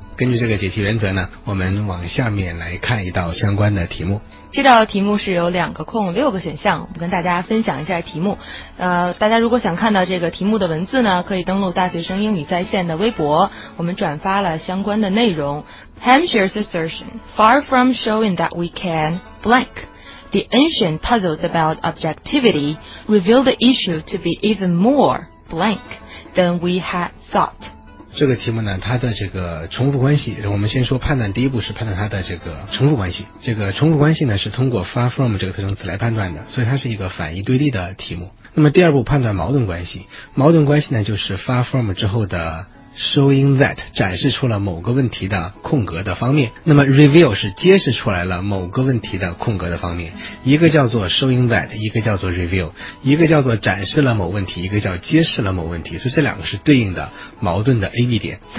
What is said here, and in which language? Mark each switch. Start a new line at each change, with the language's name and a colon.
Chinese: 根据这个解题原则呢，我们往下面来看一道相关的题目。这道题目是有两个空六个选项，我们跟大家分享一下题目。大家如果想看到这个题目的文字呢，可以登录大学生英语在线的微博，我们转发了相关的内容。
English: Hampshire's assertion far from showing that we can blankThe ancient puzzles about objectivity reveal the issue to be even more blank than we had thought.
Chinese: 这个题目呢，它的这个重复关系，我们先说判断，第一步是判断它的这个重复关系。这个重复关系呢，是通过 far from 这个特征词来判断的，所以它是一个反义对立的题目。那么第二步判断矛盾关系，矛盾关系呢，就是 far from 之后的showing that 展示出了某个问题的空格的方面，那么 reveal 是揭示出来了某个问题的空格的方面，一个叫做 showing that， 一个叫做 reveal， 一个叫做展示了某问题，一个叫揭示了某问题，所以这两个是对应的矛盾的 AB 点。